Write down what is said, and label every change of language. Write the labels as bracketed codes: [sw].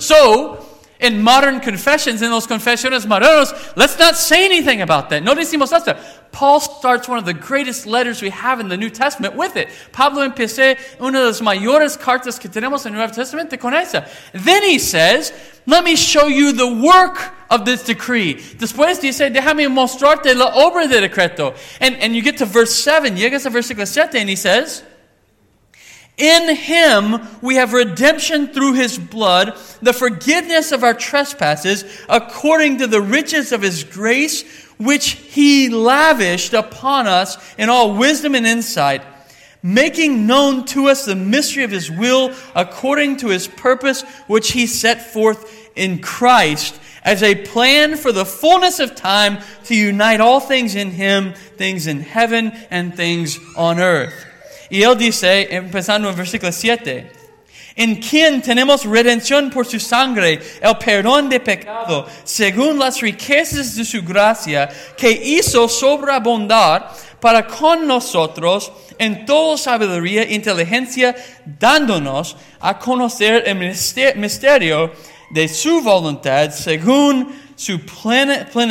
[en] So, in modern confessions, in those confesiones modernos, let's not say anything about that. [es] No decimos esto. [en] Paul starts one of the greatest letters we have in the New Testament with it. [es] Pablo empecé una de las mayores cartas que tenemos en el Nuevo Testamento con esa. [en] Then he says, let me show you the work of this decree. [es] Después dice, déjame mostrarte la obra de decreto. [en] And you get to verse 7, [es] llegas a versículo 7, [en] and he says, in him we have redemption through his blood, the forgiveness of our trespasses, according to the riches of his grace, which he lavished upon us in all wisdom and insight, making known to us the mystery of his will, according to his purpose, which he set forth in Christ, as a plan for the fullness of time to unite all things in him, things in heaven and things on earth. [es] Y él dice, empezando en versículo 7, en quien tenemos redención por su sangre, el perdón de pecado, según las riquezas de su gracia, que hizo sobreabundar para con nosotros en toda sabiduría e inteligencia, dándonos a conocer el misterio de su voluntad, según su plen